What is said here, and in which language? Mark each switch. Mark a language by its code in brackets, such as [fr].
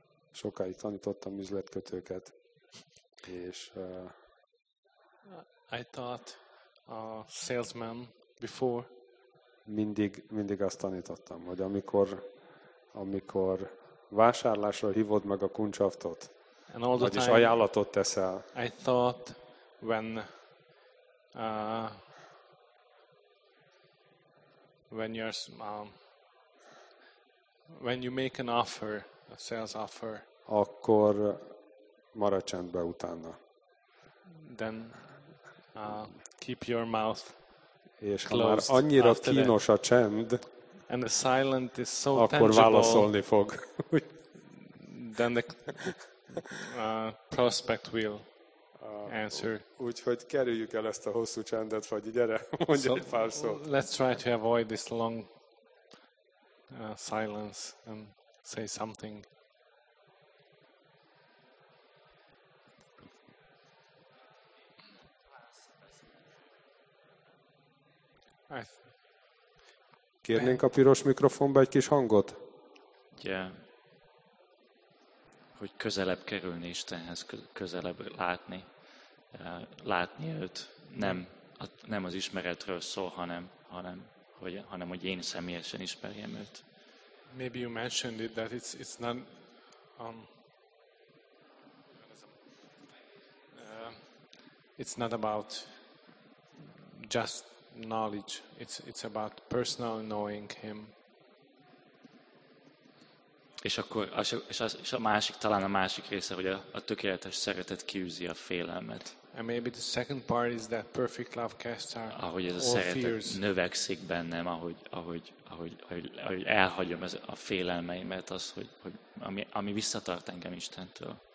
[hu] sokáig tanítottam üzletkötőket, és [en] I taught a salesman before. [hu] Mindig azt tanítottam, hogy amikor vásárlásra hívod meg a kuncsaftot, vagyis ajánlatot teszel. [en] I thought when you make an offer, a sales offer, [hu] akkor maradj csendben utána. [en] Then keep your mouth [hu] és ha már annyira kínos a csend, [en] and the silence is so [hu] akkor válaszolni fog. [en] Then the prospect will answer. [hu] Úgyhogy kerüljük el ezt a hosszú csendet, vagy gyere, mondj egy pár szót. [en] Let's try to avoid this long silence and say something. [hu] Kérnénk a piros mikrofonba egy kis hangot? [en] Yeah. [hu] Hogy közelebb kerülni Istenhez, közelebb látni őt. Nem az ismeretről szól, hanem hogy én személyesen ismerjem őt. [en] Maybe you mentioned it that it's not it's not about just knowledge. It's about personal knowing him. [hu] És akkor és a másik, talán a másik része, hogy a tökéletes szeretet kiűzi a félelmet. [en] And maybe the second part is that perfect love casts out all fears. [hu] Ahogy ez a szeretet növekszik bennem, ahogy elhagyom ez a félelmeimet, az, hogy ami visszatart engem Istentől.